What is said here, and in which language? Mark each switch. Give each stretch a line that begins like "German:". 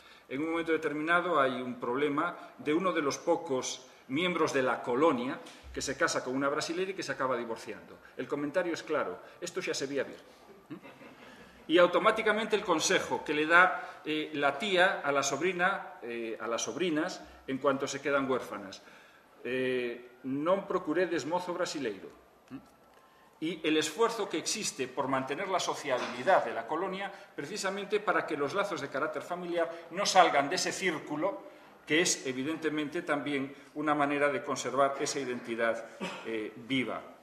Spanish: En un momento determinado hay un problema de uno de los pocos miembros de la colonia que se casa con una brasileña y que se acaba divorciando. El comentario es claro, esto ya se veía bien. Y automáticamente el consejo que le da la tía a la sobrina, a las sobrinas, en cuanto se quedan huérfanas.
Galician: Non procuredes mozo brasileiro.
Spanish: Y el esfuerzo que existe por mantener la sociabilidad de la colonia, precisamente para que los lazos de carácter familiar no salgan de ese círculo, que es evidentemente también una manera de conservar esa identidad viva.